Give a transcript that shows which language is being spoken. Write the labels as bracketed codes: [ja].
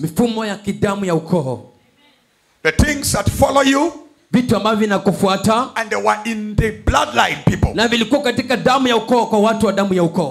[sw] Mifumo ya kidamu ya ukoo. [en] The things that follow you. [sw] Vitu ambavyo vinakufuata. [en] And they were in the bloodline people. [sw] Na vilikuwa katika damu ya ukoo kwa watu wa damu ya ukoo.